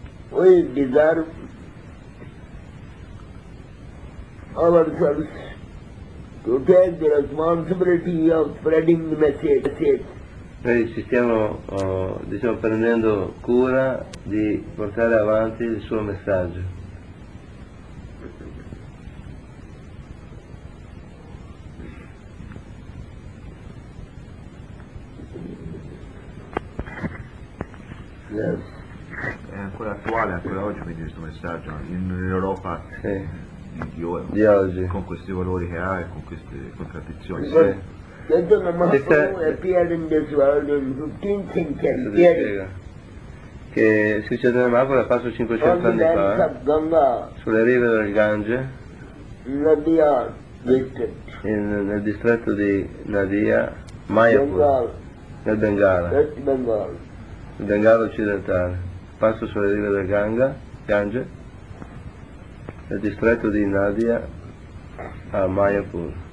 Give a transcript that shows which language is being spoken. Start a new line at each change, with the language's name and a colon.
English: We deserve ourselves to take the responsibility of spreading the message.
Italian: Noi ci stiamo prendendo cura di portare avanti il suo messaggio. È ancora attuale, ancora oggi, quindi, questo messaggio in Europa di oggi, con questi valori che ha e con queste contraddizioni. Sì.
English: Chaitanya Mahaprabhu appeared in this world in 15th century.
Italian: Che Sri Chaitanya Mahaprabhu l'ha fatto 500 anni fa
English: Ganga,
Italian: sulle rive del Gange,
English: Nadia district.
Italian: Nel distretto di Nadia, Mayapur, nel Bengala,
English: West Bengal.
Italian: Il Bengala occidentale, passo sulle rive del Ganga, Gange, nel distretto di Nadia a Mayapur.